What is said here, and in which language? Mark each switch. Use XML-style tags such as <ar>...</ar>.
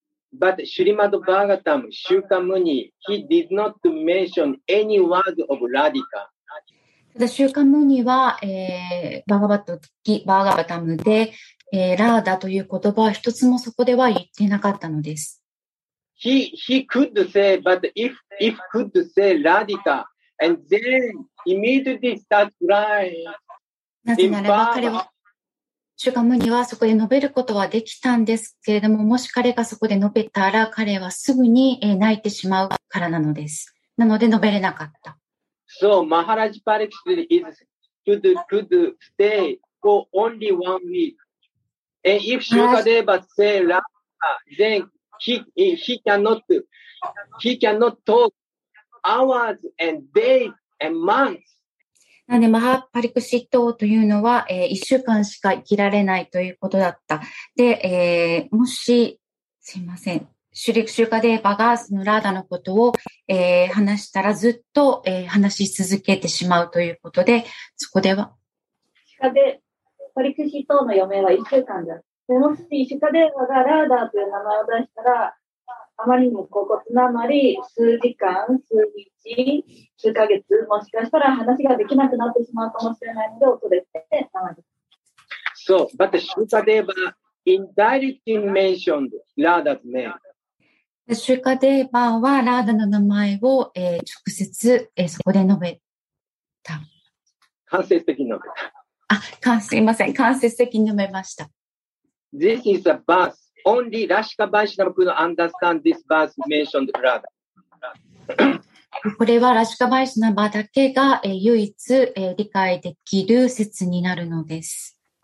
<en>But Srimad Bhagavatam Shuka Muni, he did not mention any word of Radhika.</en> <ja>ただ、シューカムニは、バーガバタムで、ラーダという言葉は一つもそこでは言ってなかったのです。</ja> <en>He could say, but if could say Radhika, and then immediately start crying.</en> <ja>なぜならば彼は、シュガムニはそこで述べることはできたんですけれども、もし彼がそこで述べたら、彼はすぐに泣いてしまうからなのです。なので述べれなかった。</ja> <en>So, Maharaj Pariksit could stay for only 1 week. And if Shukadeva say Rama, then he cannot, talk hours and days and months.</en> <ja>なので、マハパリクシット王というのは、一週間しか生きられないということだった。で、もし、すいません。シュリクシュカデーバが、そのラーダのことを、話したらずっと、話し続けてしまうということで、そこでは。シュカデー、パリクシット王の余命は一週間だ。でもし、シュカデーバがラーダという名前を出したら、あまりにも高骨なあまり数時間、数日、数ヶ月、もしかしたら話ができなくなってしまうかもしれないので、恐れて、たまに。</ja> <en>So, but Shukadeva indirectly mentioned Radha's name.</en> <ja>Shukadeva はラーダの名前を、直接、そこで述べた。間接的に述べた。あ、すいません。間接的に述べました。</ja> <en>This is a birth. Only Rashika Vaishnava could understand this verse mentioned Radha.</en> <ja>これはラシカバイシナバだけが唯一理解できる説になるのです。</ja>